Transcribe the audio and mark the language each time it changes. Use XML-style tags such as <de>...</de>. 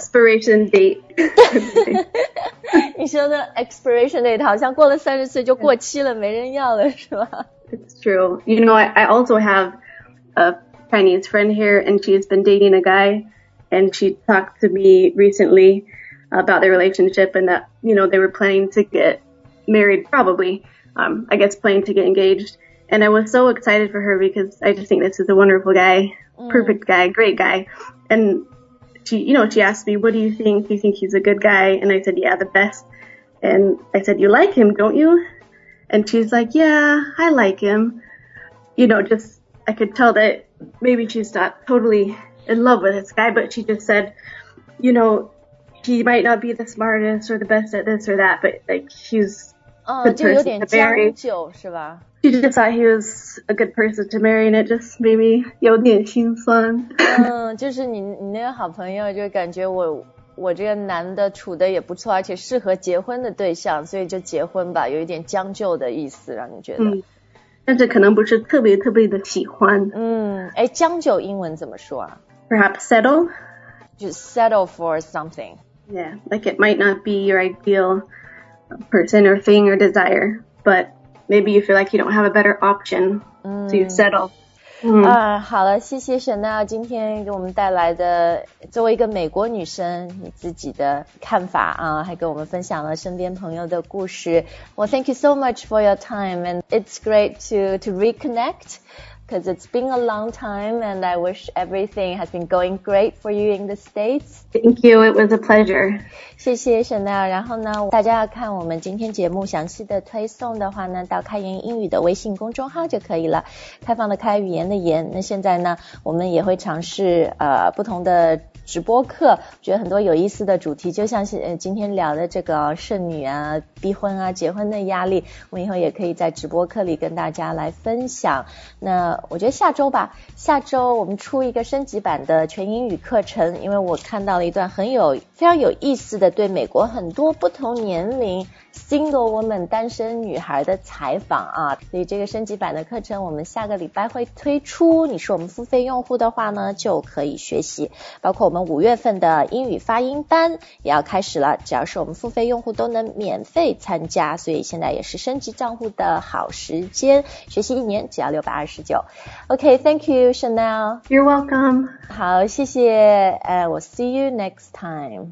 <en>expiration date.</en> <zh>你说的 expiration date 好像过了30岁就过期了，没人要了，是吧？</zh> <en>It's true. You know, I also have a Chinese friend here, and she's been dating a guy, and she talked to me recentlyabout their relationship and that, you know, they were planning to get married, probably, I guess planning to get engaged. And I was so excited for her because I just think this is a wonderful guy, perfect guy, great guy. And she, you know, she asked me, what do you think? Do you think he's a good guy? And I said, yeah, the best. And I said, you like him, don't you? And she's like, yeah, I like him. You know, just, I could tell that maybe she's not totally in love with this guy, but she just said, you know,He might not be the smartest or the best at this or that, but like he's a good person to marry.</en> <zh>是吧？</zh> <en>She just thought he was a good person to marry, and it just made me</en> <zh>有点心酸。就是你那个好朋友，就感觉我我这个男的处的也不错，而且适合结婚的对象，所以就结婚吧，有一点将就的意思，让你觉得。嗯，但是可能不是特别特别的喜欢。嗯，哎，将就英文怎么说啊？</zh> <en>Perhaps settle. Just settle for something. Yeah, like it might not be your ideal person or thing or desire, but maybe you feel like you don't have a better option, so you settle.</en> <zh>好了，谢谢 Chanel 今天给我们带来的作为一个美国女生你自己的看法啊，还给我们分享了身边朋友的故事。</zh> <en>Well, thank you so much for your time, and it's great to reconnect, because it's been a long time, and I wish everything has been going great for you in the States. Thank you, it was a pleasure.</en> <zh>谢谢 Chanel, 然后呢，大家要看我们今天节目详细的推送的话呢，到开言英语的微信公众号就可以了，开放的开，语言的言。那现在呢，我们也会尝试不同的直播课，觉得很多有意思的主题，就像今天聊的这个剩女啊、逼婚啊、结婚的压力，我们以后也可以在直播课里跟大家来分享。那我觉得下周吧，下周我们出一个升级版的全英语课程，因为我看到了一段非常有意思的对美国很多不同年龄 single woman 单身女孩的采访啊，所以这个升级版的课程我们下个礼拜会推出，你是我们付费用户的话呢就可以学习，包括我们五月份的英语发音班也要开始了，只要是我们付费用户都能免费参加，所以现在也是升级账户的好时间，学习一年只要629。</zh> <en>OK, thank you Chanel. You're welcome.</en> <zh>好，谢谢，</zh> <en>we'll see you next time.</en>